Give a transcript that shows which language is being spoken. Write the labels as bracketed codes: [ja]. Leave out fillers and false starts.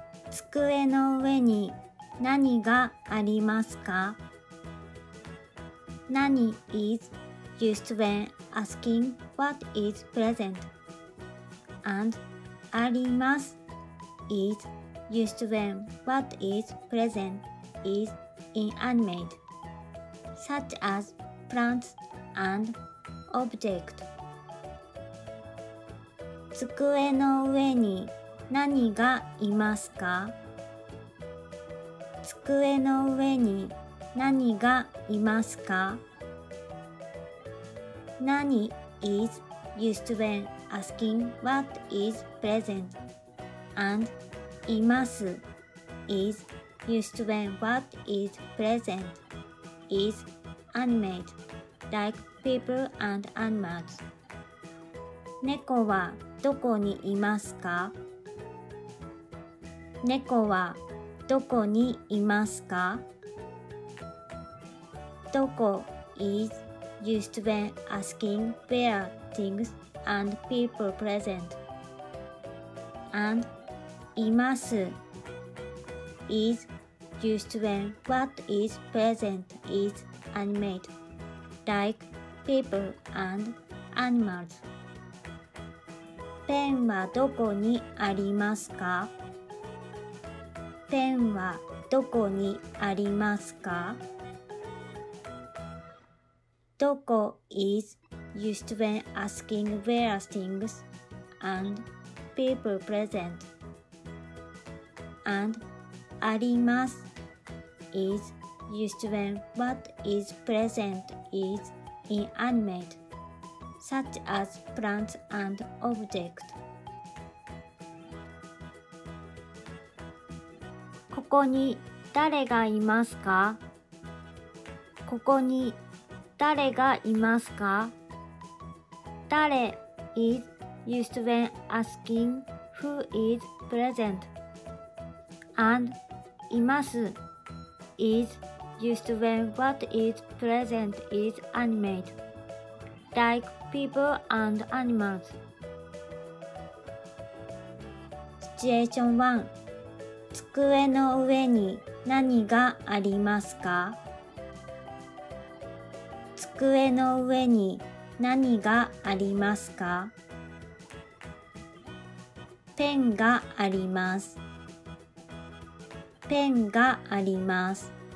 [ja] 机の上に何がありますか？ [en] 何 is used when asking what is present? And あります is used when what is present is inanimate, such as plants and objects. [ja] 机の上に何がいますか？机の上に何がいますか？ [en] 何 is used when asking what is present? And います is used when what is present is animate, like people and animals. [ja] 猫はどこにいますか？猫はどこにいますか？ [en] どこ is used when asking where things and people present. And います is used when what is present is animate, like people and animals. [ja] ペンはどこにありますか？ペンはどこにありますか？ [en] どこ is used when asking where things and people present. And あります is used when what is present is inanimate, such as plants and objects. [ja] ここに誰がいますか？ここに誰がいますか？ [en] 誰 is used when asking who is present. And います is used when what is present is animate, like people and animals. Situation 1. [ja] 机の上に何がありますか？机の上に何がありますか？ペンがあります。ペンがあります。